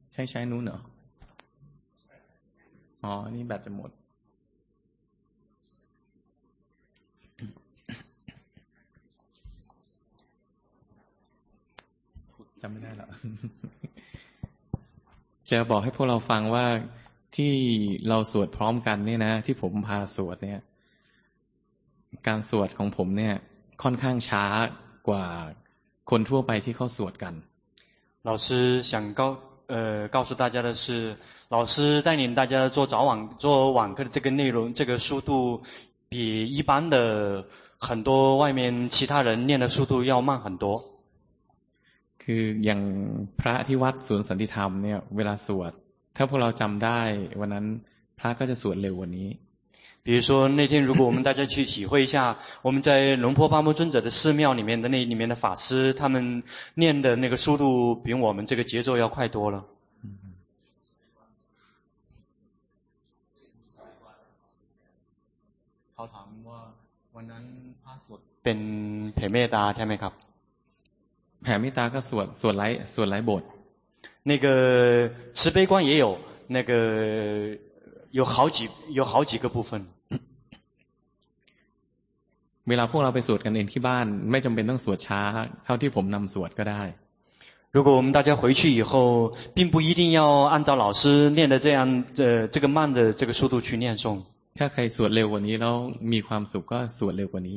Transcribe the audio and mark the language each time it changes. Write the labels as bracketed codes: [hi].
[th] ใช้นู้นเหรออ๋อนี่แบตจะหมดจำไม่ได้แล้ว จะบอกให้พวกเราฟังว่าที่เราสวดพร้อมกันเนี่ยนะที่ผมพาสวดเนี่ยการสวดของผมเนี่ยค่อนข้างช้ากว่าคนทั่วไปที่เขาสวดกัน [zh] 老师想告告诉大家的是，老师带领大家做早晚做晚课的这个内容，这个速度比一般的很多外面其他人念的速度要慢很多。 [th] คืออย่างพระที่วัดสวนสันติธรรมเนี่ยเวลาสวดถ้าพวกเราจำได้วันนั้นพระก็จะสวดเร็วกว่านี้。 [zh] 比如说那天如果我们大家去体会一下，我们在龙坡八木尊者的寺庙里面的那里面的法师，他们念的那个速度比我们这个节奏要快多了。 [th] เขาถามว่าวันนั้นพระสวด เป็นแผ่เมตตาใช่ไหมครับ แผ่เมตตาก็สวดไลสวดไลบท [zh] 那个慈悲观也有那个有好几个部分 [th] เวลาพวกเราไปสวดกันเองที่บ้านไม่จำเป็นต้องสวดช้าเท่าที่ผมนำสวดก็ได้ [zh] 如果我们大家回去以后，并不一定要按照老师念的这样，这个慢的这个速度去念诵。 [th] ถ้าใครสวดเร็วกว่านี้แล้วมีความสุขก็สวดเร็วกว่านี